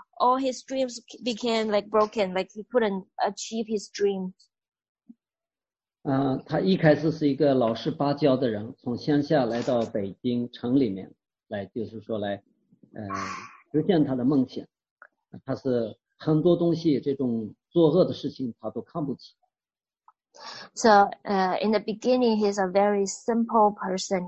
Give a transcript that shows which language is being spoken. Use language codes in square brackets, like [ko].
[en] All his dreams became like broken, like he couldn't achieve his dreams. [zh] 他一开始是一个老实巴交的人，从乡下来到北京城里面来，就是说来，实现他的梦想。他是很多东西，这种作恶的事情他都看不起。 [en] So, in the beginning, he's a very simple person.